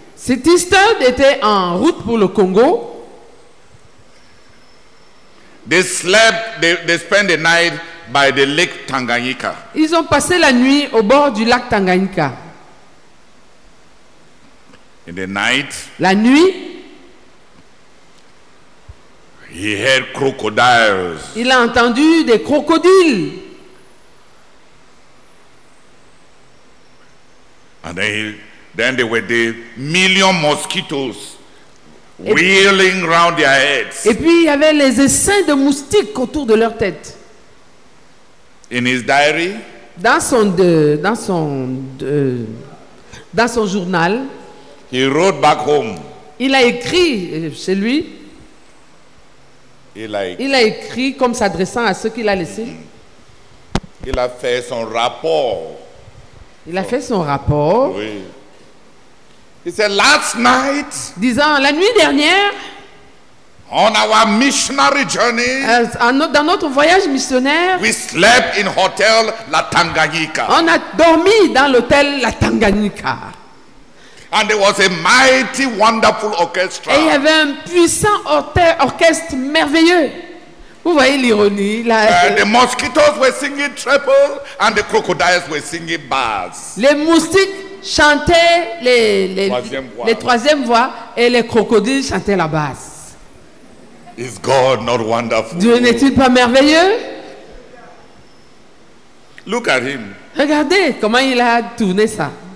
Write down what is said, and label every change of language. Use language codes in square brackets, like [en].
[fr] City Stud était en route pour le Congo. [en] They slept. They spent the night by the lake Tanganyika. [fr] Ils ont passé la nuit au bord du lac Tanganyika. [en] In the night. [fr] La nuit. [en] He heard crocodiles. [fr] Il a entendu des crocodiles. [en] And then there were the million mosquitoes wheeling around their heads. [fr] Et puis il y avait les essaims de moustiques autour de leur tête. [en] In his diary. [fr] Dans son journal. [en] He wrote back home. [fr] Il a écrit chez lui. Il a écrit comme s'adressant à ceux qu'il a laissés. Il a fait son rapport. Il a fait son rapport. [en] Oui. He said, last night, [fr] disant la nuit dernière, [en] on our missionary journey, [fr] dans notre voyage missionnaire, [en] we slept in hotel La Tanganyika. [fr] On a dormi dans l'hôtel La Tanganyika. [en] And there was a mighty, wonderful orchestra. [fr] Et il y avait un puissant orchestre merveilleux. Vous voyez l'ironie là. [en] The mosquitoes were singing treble and the crocodiles were singing bass. [fr] Les moustiques chantaient les troisième voix et les crocodiles chantaient la basse. [en] Is God not wonderful? [fr] Dieu n'est-il pas merveilleux? [en] Look at him. [fr] Regardez comment il a tourné ça.